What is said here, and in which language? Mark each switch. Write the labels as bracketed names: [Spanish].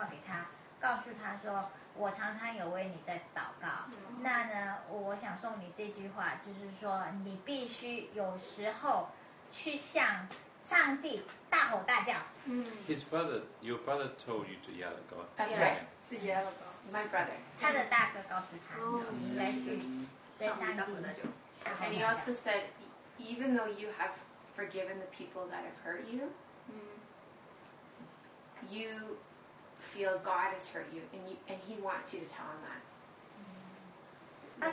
[Chinese] 他的大哥嘛，就是不是一个常打电话给他的人。那就是当天他要去上班之前呢，他大哥打了一个电话给他，告诉他说， 我常常有为你在祷告。那呢，我想送你这句话，就是说，你必须有时候去向上帝大吼大叫。His [English] brother, your brother told you to yell at God. That's right. To yell at God. My brother. [Chinese] 他的大哥告诉他，你来去向上帝大吼大叫。 [English] And he also said, even though you have forgiven the people that have hurt you, you feel God has hurt you, and He wants you to tell Him that.